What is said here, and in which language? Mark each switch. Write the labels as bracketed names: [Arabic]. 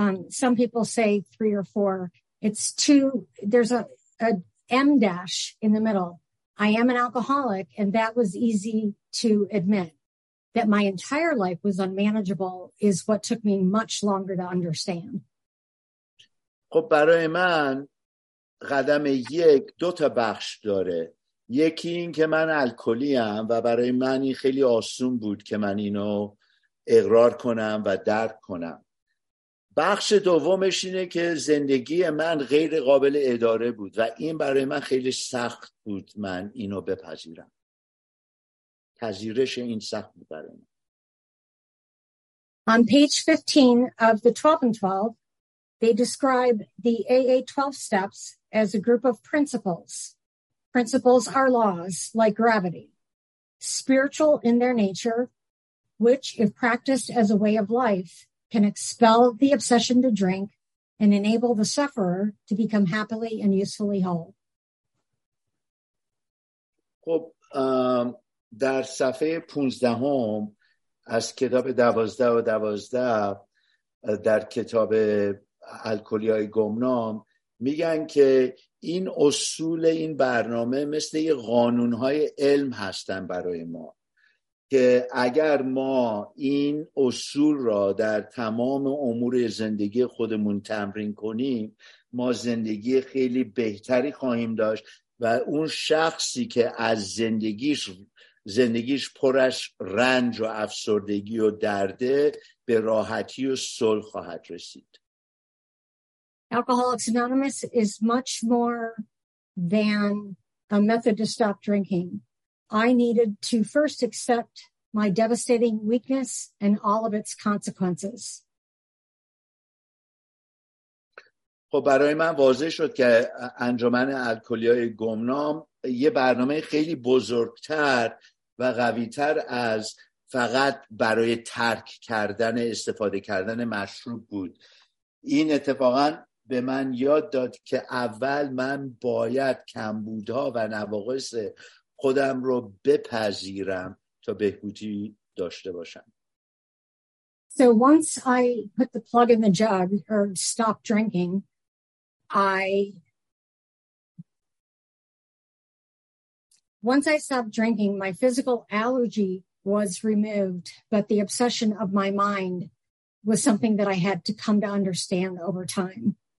[English] Some people say three or four. It's two. There's a M dash in the middle. I am an alcoholic, and that was easy to admit. That my entire life was unmanageable is what took me much longer to understand. [Persian] خب برای من قدم یک دو تا بخش داره. یکی این که من الکلی‌ام و برای من این خیلی آسون بود که من اینو اقرار کنم و درک کنم. بخش دومش اینه که زندگی من غیر قابل اداره بود و این برای من خیلی سخت بود من اینو بپذیرم. پذیرش این سخت بود برای من. [English] On page 15 of the 12 and 12, they describe the AA 12 steps as a group of principles. Principles are laws like gravity, spiritual in their nature, which, if practiced as a way of life, can expel the obsession to drink and enable the sufferer to become happily and usefully whole. [Persian] خب در صفحه 15 از کتاب 12 و 12 در کتاب الکلی‌های گمنام میگن که این اصول این برنامه مثل یه قانون‌های علم هستن برای ما که اگر ما این اصول را در تمام امور زندگی خودمون تمرین کنیم ما زندگی خیلی بهتری خواهیم داشت و اون شخصی که از زندگیش پرش رنج و افسردگی و درده به راحتی و صلح خواهد رسید. [English] Alcoholics Anonymous is much more than a method to stop drinking. I needed to first accept my devastating weakness and all of its consequences. [Persian] خب برای من واضح شد که انجمن الکلی‌های گمنام یه برنامه خیلی بزرگتر و قویتر از فقط برای ترک کردن استفاده کردن مشروب بود. این اتفاقا به من یاد داد که اول من باید کمبودها و نواقص خودم رو بپذیرم تا بهبودی داشته باشم. [English] So once I put the plug in the jug or stopped drinking, Once I stopped drinking, my physical allergy was removed, but the obsession of my mind was something that I had to come to understand over time.